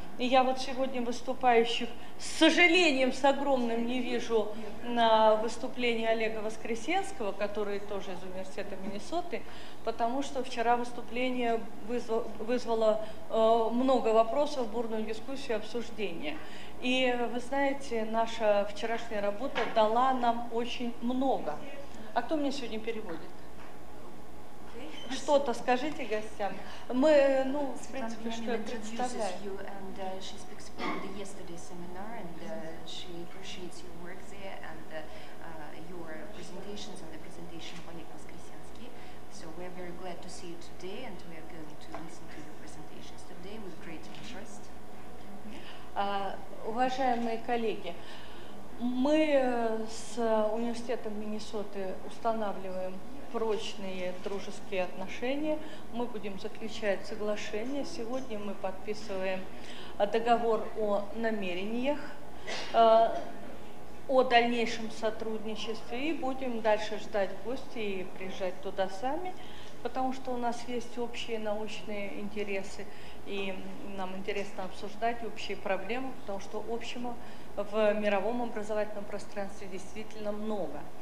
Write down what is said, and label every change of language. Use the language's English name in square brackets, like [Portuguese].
[Russian] И я вот сегодня выступающих, с сожалением, с огромным, не вижу на выступлении Олега Воскресенского, который тоже из университета Миннесоты, потому что вчера выступление вызвало много вопросов, бурную дискуссию, обсуждение. И вы знаете, наша вчерашняя работа дала нам очень много. А кто мне сегодня переводит? Что-то скажите гостям. Мы, ну, в принципе, что я представляю. [English] And she speaks from the yesterday seminar, and she appreciates your work there and your presentations and the presentation of Oleg Voskresensky. So we are very glad to see you today, and we are going to listen to your presentations today with great interest. [Russian] Уважаемые коллеги, мы с университетом Миннесоты устанавливаем прочные дружеские отношения. Мы будем заключать соглашение. Сегодня мы подписываем договор о намерениях, о дальнейшем сотрудничестве, и будем дальше ждать гостей и приезжать туда сами, потому что у нас есть общие научные интересы, и нам интересно обсуждать общие проблемы, потому что общего в мировом образовательном пространстве действительно много.